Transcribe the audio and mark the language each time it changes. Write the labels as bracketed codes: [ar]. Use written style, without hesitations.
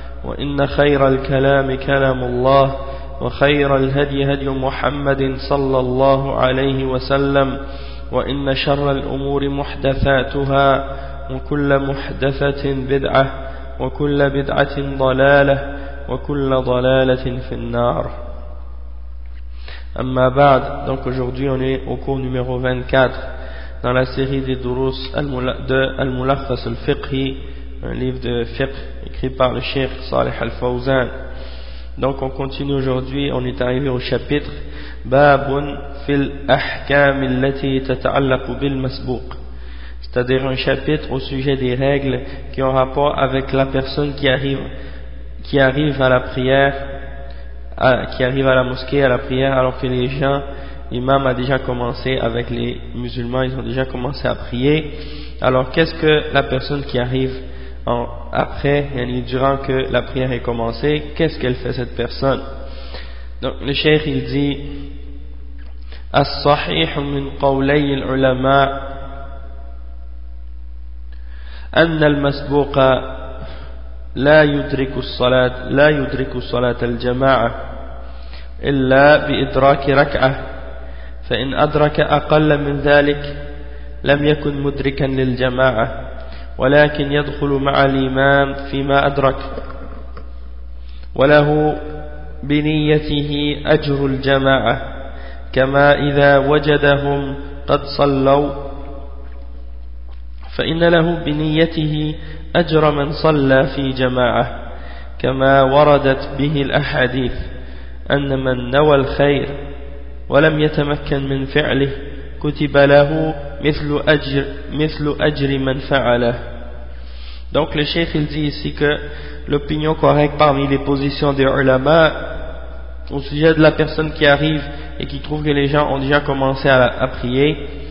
[ar] وإن خير الكلام كلام الله، وخير الهدي هدي محمد صلى الله عليه وسلم، وإن شر الأمور محدثاتها، وكل محدثة بدعة، وكل بدعة ضلالة، وكل ضلالة في النار. أما بعد، [fr] donc aujourd'hui on est au cours numéro 24 dans la série des durus al-mulakhas al-fiqhi, un livre de fiqh écrit par le Cheikh Saleh al-Fawzan. Donc on continue aujourd'hui, on est arrivé au chapitre [ar] باب في الأحكام التي تتعلق بالمسبوق, [fr] c'est-à-dire un chapitre au sujet des règles qui ont rapport avec la personne qui arrive à la prière, qui arrive à la mosquée à la prière, alors que les gens, l'imam a déjà commencé avec les musulmans, ils ont déjà commencé à prier. Alors qu'est-ce que la personne qui arrive après, yani durant que la prière est commencée, qu'est-ce qu'elle fait cette personne? Donc le cheikh il dit [ar] الصحيح من قولي العلماء أن المسبوق لا يدرك الصلاة الجماعة إلا بإدراك ركعة، فإن أدرك أقل من ذلك لم يكن مدركا للجماعة، ولكن يدخل مع الإمام فيما أدرك، وله بنيته أجر الجماعة، كما إذا وجدهم قد صلوا فإن له بنيته أجر من صلى في جماعة، كما وردت به الأحاديث أن من نوى الخير ولم يتمكن من فعله كتب له مثل أجر من فعله. [fr] Donc le cheikh il dit ici que l'opinion correcte parmi les positions des ulama au sujet de la personne qui arrive et qui trouve que les gens ont déjà commencé à prier,